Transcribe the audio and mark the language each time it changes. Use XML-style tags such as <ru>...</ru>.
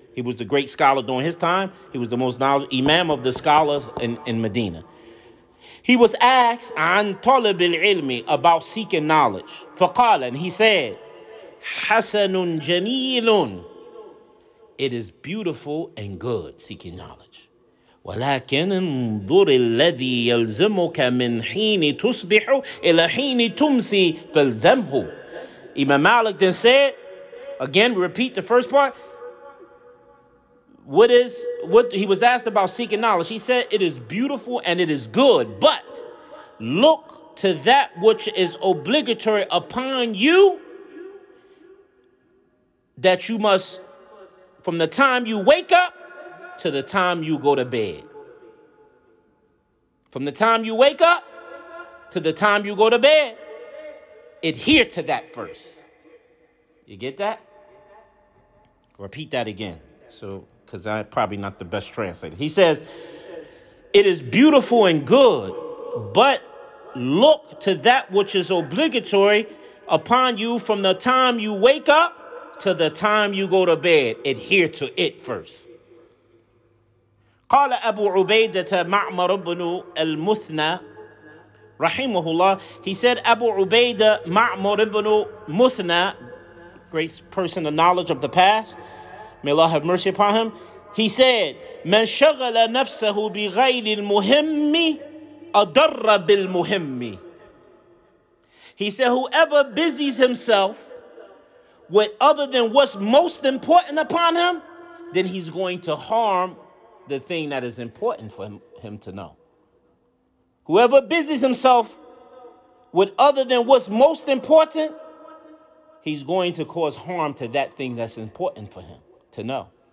<en>He was the great scholar during his time. He was the most knowledgeable imam of the scholars in Medina. He was asked,</en> <ar>عن طلب العلم,</ar> <en>about seeking knowledge.</en> <ar>فقال,</ar> <en>and he said,</en> <ar>حسن جميل,</ar> <en>it is beautiful and good seeking knowledge.</en> <ar>ولكن انظر الذي يلزمك من حين تصبح إلى حين تمسي فالزمه.</ar> <en>Imam Malik then said, again, repeat the first part. What he was asked about seeking knowledge. He said, it is beautiful and it is good, but look to that which is obligatory upon you, that you must, from the time you wake up to the time you go to bed. From the time you wake up to the time you go to bed, adhere to that first. You get that? Repeat that again. So, because I probably not the best translator. He says, it is beautiful and good, but look to that which is obligatory upon you from the time you wake up to the time you go to bed. Adhere to it first.</en> <ar>قال أبو عبيدة معمر بن المثنى رحمه الله.</ar> <en>He said, Abu Ubaidah Ma'mur ibn Muthna, great person of knowledge of the past, may Allah have mercy upon him. He said,</en> <ar>من شغل نفسه بغير المهم أضر بالمهم.</ar> <en>He said, whoever busies himself with other than what's most important upon him, then he's going to harm the thing that is important for him to know. Whoever busies himself with other than what's most important, he's going to cause harm to that thing that's important for him to know.</en>